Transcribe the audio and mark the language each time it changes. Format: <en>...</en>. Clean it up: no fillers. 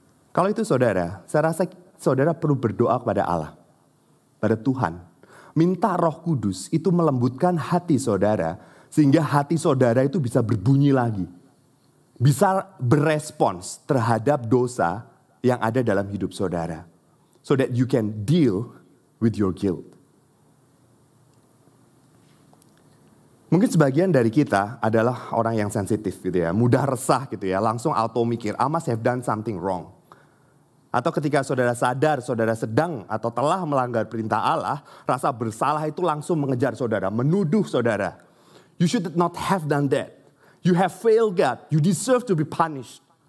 <id>Kalau itu saudara, saya rasa saudara perlu berdoa kepada Allah, kepada Tuhan. Minta Roh Kudus itu melembutkan hati saudara, sehingga hati saudara itu bisa berbunyi lagi. Bisa berespons terhadap dosa yang ada dalam hidup saudara.</id> <en>So that you can deal with your guilt.</en> <id>Mungkin sebagian dari kita adalah orang yang sensitif gitu ya. Mudah resah gitu ya. Langsung auto mikir,</id> <en>I must have done something wrong.</en> <id>Atau ketika saudara sadar, saudara sedang atau telah melanggar perintah Allah, rasa bersalah itu langsung mengejar saudara, menuduh saudara.</id> <en>You should not have done that. You have failed God. You deserve to be punished.</en>